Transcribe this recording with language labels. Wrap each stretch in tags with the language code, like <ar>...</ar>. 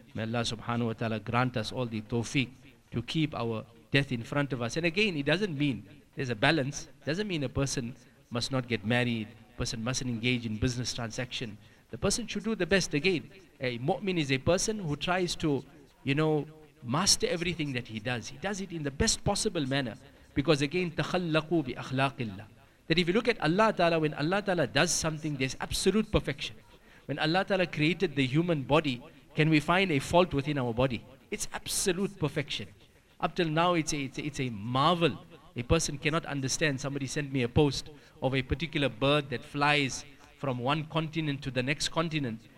<en>May Allah Subhanahu Wa Ta'ala grant us all the tawfiq to keep our death in front of us. And again, it doesn't mean there's a balance. Doesn't mean a person must not get married. Person mustn't engage in business transaction. The person should do the best. Again, a mu'min is a person who tries to, you know, master everything that he does. He does it in the best possible manner. Because again,</en> <ar>تَخَلَّقُوا بِأَخْلَاقِ اللَّهِ.</ar> <en>That if you look at Allah Ta'ala, when Allah Ta'ala does something, there's absolute perfection. When Allah Ta'ala created the human body, can we find a fault within our body? It's absolute perfection. Up till now, it's a marvel. A person cannot understand. Somebody sent me a post of a particular bird that flies from one continent to the next continent.</en>